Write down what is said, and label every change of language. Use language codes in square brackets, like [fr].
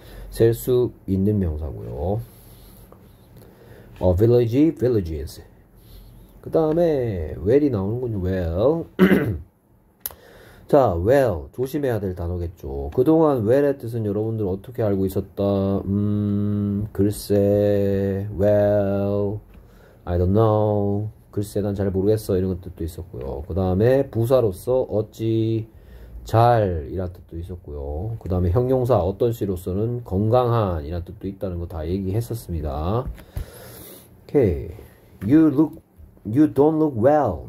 [ko] 셀수 있는 명사고요. A village, villages. 그 다음에 where이 나오는군요. Well. 자, well 조심해야 될 단어겠죠. 그동안 where의 뜻은 여러분들 어떻게 알고 있었다? 글쎄, [en] well, I don't know. [ko] 글쎄, 난잘 모르겠어 이런 뜻도 있었고요. 그 다음에 부사로서 어찌 잘 이란 뜻도 있었고요. 그 다음에 형용사 어떤 씨로서는 건강한 이란 뜻도 있다는 거다 얘기했었습니다. [en] 오케이. You don't look well.